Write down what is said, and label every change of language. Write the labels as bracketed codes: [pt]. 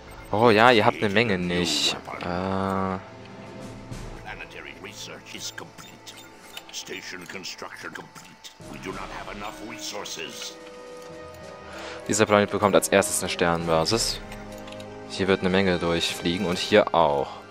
[de] Oh ja, ihr habt eine Menge nicht. [en] Planetary Research is complete. Station construction complete. We do not have enough resources. [de] Dieser Planet bekommt als erstes eine Sternenbasis. Hier wird eine Menge durchfliegen und hier auch.